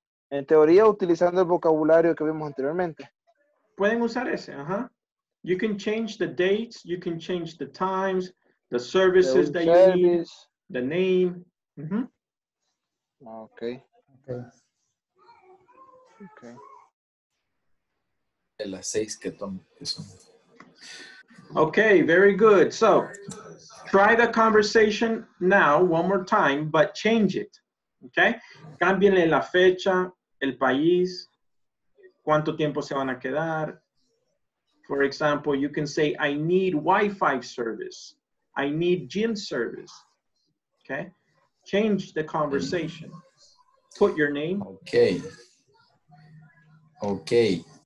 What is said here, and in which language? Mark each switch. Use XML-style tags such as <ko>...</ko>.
<es>En teoría, utilizando el vocabulario que vimos anteriormente. Pueden usar ese, ajá.</es> <en>You can change the dates, you can change the times, the services that you need, the name. Mm-hmm. Okay.</en> <es>El 6 que tomo, que son.</es> <en>Okay, very good. So try the conversation now one more time, but change it. Okay?</en> <es>Cámbienle la fecha, el país, cuánto tiempo se van a quedar.</es> <en>For example, you can say, I need Wi-Fi service. I need gym service. Okay? Change the conversation. Put your name. Okay. Okay.</en>